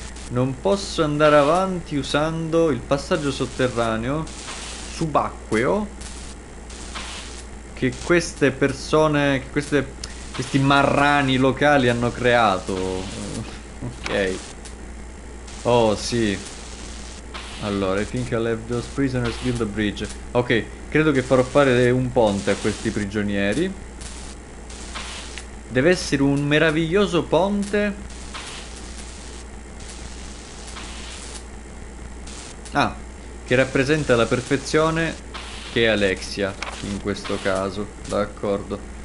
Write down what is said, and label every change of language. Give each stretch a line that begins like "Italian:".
Italian: Non posso andare avanti usando il passaggio sotterraneo subacqueo. Che queste persone, che queste, questi marrani locali hanno creato. Ok. Oh, sì.
English: Allora, I think I'll have those prisoners build a bridge.
Italian: Ok, credo che farò fare un ponte a questi prigionieri. Deve essere un meraviglioso ponte. Ah, che rappresenta la perfezione che è Alexia in questo caso. D'accordo.